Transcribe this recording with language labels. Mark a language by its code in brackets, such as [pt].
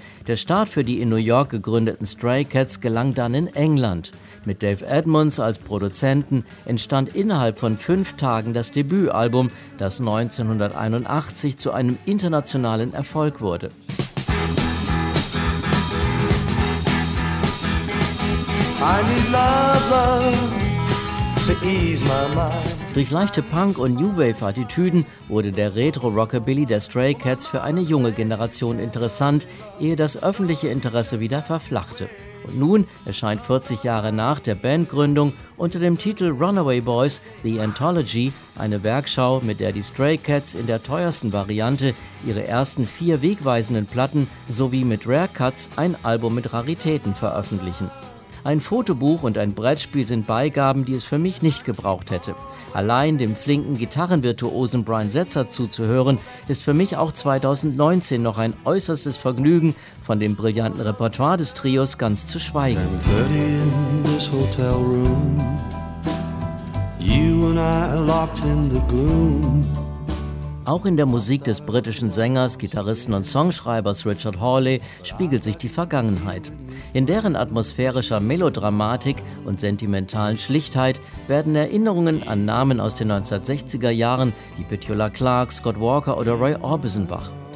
[de] Der Start für die in New York gegründeten Stray Cats gelang dann in England. Mit Dave Edmunds als Produzenten entstand innerhalb von 5 Tagen das Debütalbum, das 1981 zu einem internationalen Erfolg wurde. [en] I need love, love, to ease my mind. [de] Durch leichte Punk- und New-Wave-Attitüden wurde der Retro-Rockabilly der Stray Cats für eine junge Generation interessant, ehe das öffentliche Interesse wieder verflachte. Und nun erscheint 40 Jahre nach der Bandgründung unter dem Titel Runaway Boys – The Anthology eine Werkschau, mit der die Stray Cats in der teuersten Variante ihre ersten 4 wegweisenden Platten sowie mit Rare Cuts ein Album mit Raritäten veröffentlichen. Ein Fotobuch und ein Brettspiel sind Beigaben, die es für mich nicht gebraucht hätte. Allein dem flinken Gitarrenvirtuosen Brian Setzer zuzuhören, ist für mich auch 2019 noch ein äußerstes Vergnügen, von dem brillanten Repertoire des Trios ganz zu schweigen. [en] I'm 30 in this hotel room. You and I are locked in the gloom. [de] Auch in der Musik des britischen Sängers, Gitarristen und Songschreibers Richard Hawley spiegelt sich die Vergangenheit. In deren atmosphärischer Melodramatik und sentimentalen Schlichtheit werden Erinnerungen an Namen aus den 1960er Jahren wie Petula Clark, Scott Walker oder Roy Orbison wach.